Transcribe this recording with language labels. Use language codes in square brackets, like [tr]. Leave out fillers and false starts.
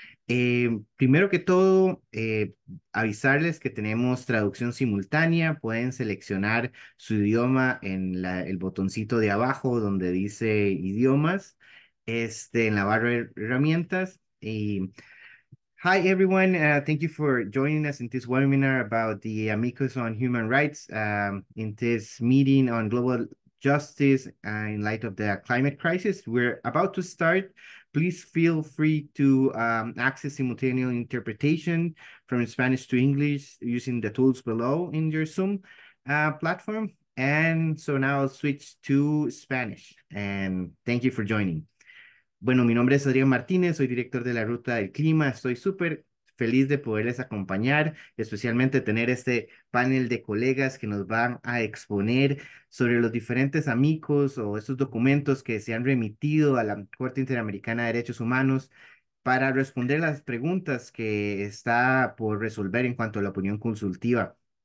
[es] Primero que todo, avisarles que tenemos traducción simultánea. Pueden seleccionar su idioma en el botoncito de abajo donde dice idiomas, en la barra de herramientas. [en] Hi everyone, thank you for joining us in this webinar about the Amicus on Human Rights. In this meeting on global justice in light of the climate crisis, we're about to start. Please feel free to access simultaneous interpretation from Spanish to English using the tools below in your Zoom platform. And so now I'll switch to Spanish. And thank you for joining. [es] Bueno, mi nombre es Adrián Martínez, soy director de la Ruta del Clima. Estoy súper feliz de poderles acompañar, especialmente tener este panel de colegas que nos van a exponer sobre los diferentes amicus o estos documentos que se han remitido a la Corte Interamericana de Derechos Humanos para responder las preguntas que está por resolver en cuanto a la opinión consultiva.